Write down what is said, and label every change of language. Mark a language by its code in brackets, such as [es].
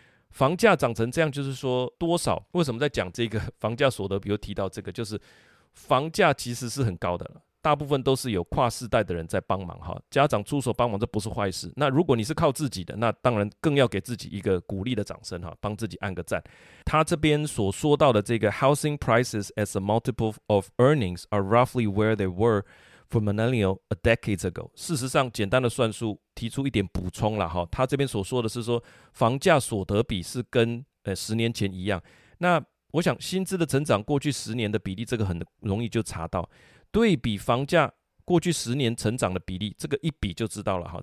[zh] 房价涨成这样就是说多少，为什么在讲这个房价所得比如提到这个，就是房价其实是很高的，大部分都是有跨世代的人在帮忙哈，家长出手帮忙这不是坏事。那如果你是靠自己的，那当然更要给自己一个鼓励的掌声哈，帮自己按个赞。他这边所说到的这个 [en] housing prices as a multiple of earnings are roughly where they were for millennial a decade ago. [zh] 事实上简单的算术提出一点补充啦哈，他这边所说的是说房价所得比是跟十年前一样。那我想薪资的成长过去十年的比例这个很容易就查到，对比房价过去十年成长的比例，这个一比就知道了哈。